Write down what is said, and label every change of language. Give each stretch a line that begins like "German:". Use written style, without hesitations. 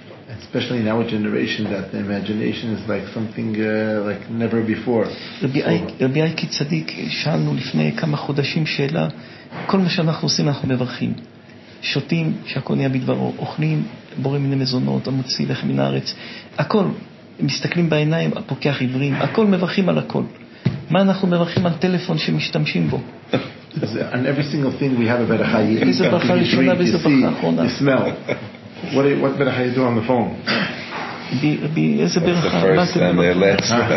English: Especially in our generation that the imagination is like something like never before.
Hebrew: רבי אייקי צדיק, שאלנו לפני כמה חודשים שאלה, כל מה שאנחנו עושים אנחנו מברכים, שותים שהכל נהיה בדברו, אוכלים בורא מיני מזונות, המוציא לחם מן הארץ, הכל, מסתכלים בעיניים הפוקח עיוורים, הכל מברכים על הכל. מה אנחנו מברכים על טלפון שמשתמשים בו?
English: And every single thing we have a berakha. You eat, you drink, you see, you smell. What berakha you do on the phone? That's the first and the last.